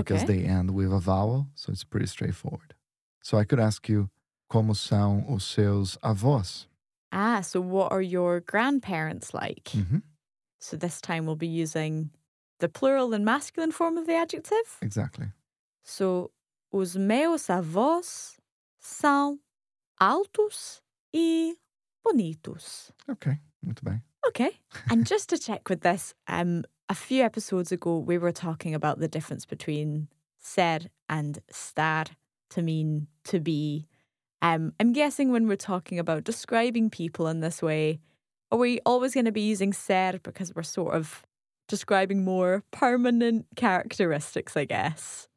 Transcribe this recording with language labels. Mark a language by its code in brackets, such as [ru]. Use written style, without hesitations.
[en] Because they end with a vowel, so it's pretty straightforward. So, I could ask you, [pt] como são os seus avós? [en] Ah, so what are your grandparents like? Mm-hmm. So, this time we'll be using the plural and masculine form of the adjective? Exactly. [pt] So, os meus avós são altos e bonitos. Okay, muito bem. [en] Okay, and just to check with this, a few episodes ago we were talking about the difference between ser and estar to mean to be. I'm guessing when we're talking about describing people in this way, are we always going to be using ser because we're sort of describing more permanent characteristics, I guess?